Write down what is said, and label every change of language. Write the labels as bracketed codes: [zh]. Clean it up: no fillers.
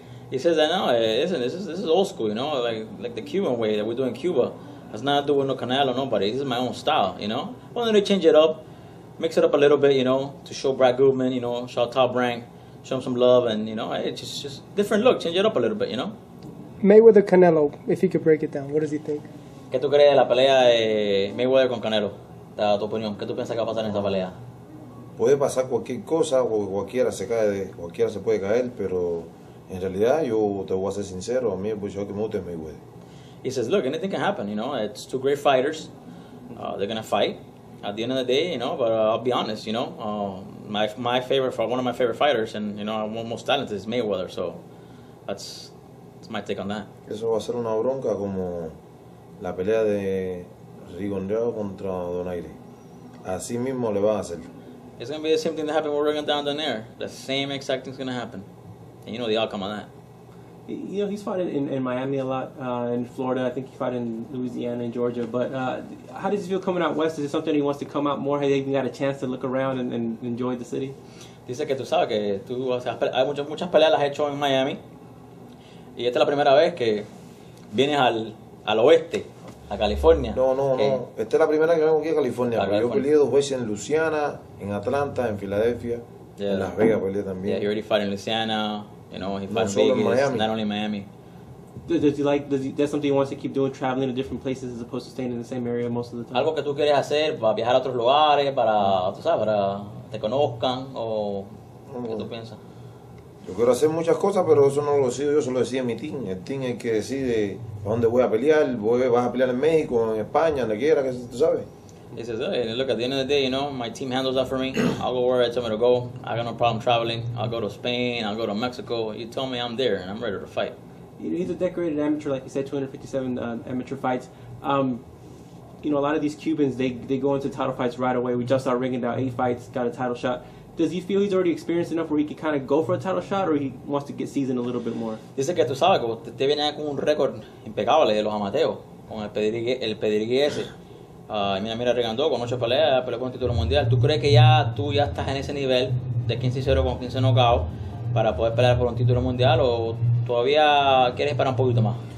[en] He says that now, listen, this is old school, you know, like the Cuban way that we do in Cuba. It's not to do with no Canelo, nobody. This is my own style, you know. Wanted to change it up, mix it up a little bit, you know, to show Brad Goodman, you know, show top rank, show him some love, and, you know, it's just different look, change it up a little bit, you know. Mayweather Canelo, if he could break it down, what does he think? [es] ¿Qué tú crees de la pelea de Mayweather con Canelo? ¿Tu opinión? ¿Qué tú piensas que va a pasar en esa pelea? Puede pasar cualquier cosa, o cualquiera se puede caer, pero en realidad yo te voy a ser sincero, a mí el boxeador que me gusta es Mayweather. [en] He says, look, anything can happen, you know, it's two great fighters, they're gonna fight at the end of the day, you know, but I'll be honest, you know, my favorite, one of my favorite fighters, and you know, I'm most talented, is Mayweather. So that's my take on that. [es] Eso va a ser una bronca como la pelea de Rigondeaux contra Donaire. Así mismo le va a hacer. [en] It's gonna be the same thing that happened with Rigondeaux and Donaire. The same exact thing's gonna happen, and you know the outcome of that. You know, he's fought in Miami a lot, in Florida. I think he fought in Louisiana and Georgia. But how does he feel coming out west? Is it something he wants to come out more? Has he even got a chance to look around and enjoy the city? [es] Dice que tú sabes que tú, o sea, hay muchas peleas las he hecho en Miami. Y esta es la primera vez que vienes al oeste, a California. No. Esta es la primera que vengo aquí a California. Yo peleé dos veces en Louisiana, en Atlanta, en Filadelfia. Yeah. En Las Vegas peleé también. [en] Yeah, you already fought in Louisiana. You know, he fought in Vegas, not only Miami. That's something he wants to keep doing, traveling to different places as opposed to staying in the same area most of the time? [es] Algo que tú quieres hacer, para viajar a otros lugares, para, tú sabes, para te conozcan, o qué tú piensas. Yo quiero hacer muchas cosas, pero eso no lo decido yo, eso lo decide mi team. El team es el que decide dónde voy a pelear, vas a pelear en México, en España, donde quiera, que tú sabes. [en] He says, hey, look, at the end of the day, you know, my team handles that for me. I'll go where I tell me to go. I got no problem traveling. I'll go to Spain, I'll go to Mexico. You tell me I'm there, and I'm ready to fight. He's a decorated amateur, like you said, 257 amateur fights. You know, a lot of these Cubans, they go into title fights right away. We just saw Rigondeaux, 8 fights, got a title shot. Does he feel he's already experienced enough where he can kind of go for a title shot, or he wants to get seasoned a little bit more? [es] Dice que tú sabes que te viene con un récord impecable de los amateos, con el pedigrí ese. Mira, Rigondeaux, con 8 peleas, peleó con el título mundial. ¿Tú crees que ya tú ya estás en ese nivel de 15-0 con 15 knockouts para poder pelear por un título mundial, o todavía quieres esperar un poquito más?